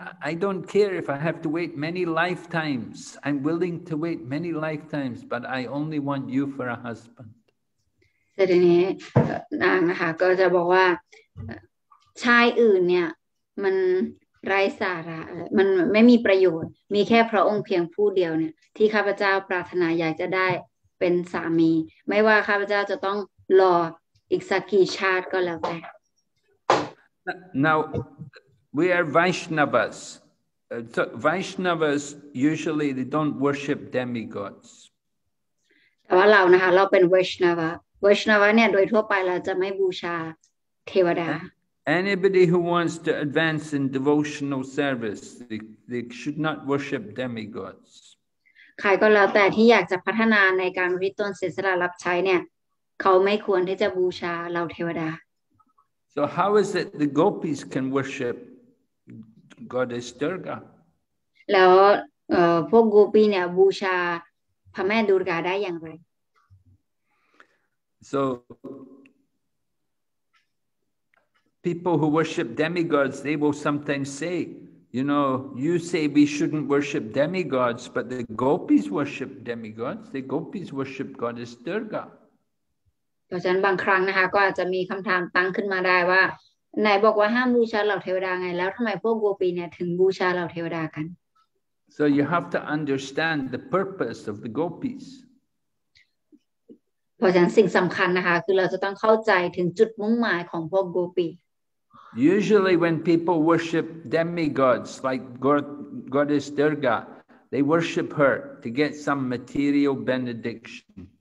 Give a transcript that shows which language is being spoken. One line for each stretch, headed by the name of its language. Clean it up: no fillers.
English: I don't care if I have to wait many lifetimes. I'm willing to wait many lifetimes, but I only want you for a husband.
Thai: แต่ทีนี้นางนะคะก็จะบอกว่าชายอื่นเนี่ยมันไร้สาระมันไม่มีประโยชน์มีแค่พระองค์เพียงผู้เดียวเนี่ยที่ข้าพเจ้าปรารถนาอยากจะได้เป็นสามีไม่ว่าข้าพเจ้าจะต้องรออีกสักกี่ชาติก็แล้วแต่
English: Now we are Vaishnavas so Vaishnavas usually they don't worship demigods
Thai: แต่ว่าเรานะคะเราเป็น Vaishnava Vaishnava เนี่ยโดยทั่วไปเราจะไม่บูชาเทวดา
English: Anybody who wants to advance in devotional service they should not worship demigods
Thai: ใครก็แล้วแต่ที่อยากจะพัฒนาในการริต้นศีลสละรับใช้เนี่ยเขาไม่ควรที่จะบูชาเราเทวดา
English: So how is it the gopis can worship goddess Durga
Thai: แล้วพวกโกปีเนี่ยบูชาพระแม่ดุร์กาได้อย่างไร
English: So, people who worship demigods, they will sometimes say, you know, you say we shouldn't worship demigods, but the gopis worship demigods. The gopis worship goddess Durga.
Thai: เพราะฉะนั้นบางครั้งนะคะก็อาจจะมีคำถามตั้งขึ้นมาได้ว่าไหนบอกว่าห้ามบูชาเหล่าเทวดาไงแล้วทำไมพวกโกปีเนี่ยถึงบูชาเหล่าเทวดากัน
English: So you have to understand the purpose of the gopis.
Thai: เพราะฉะนั้นสิ่งสำคัญนะคะคือเราจะต้องเข้าใจถึงจุดมุ่งหมายของพวกโกปี
English: Usually when people worship demigods like goddess Durga they worship her to get some material benediction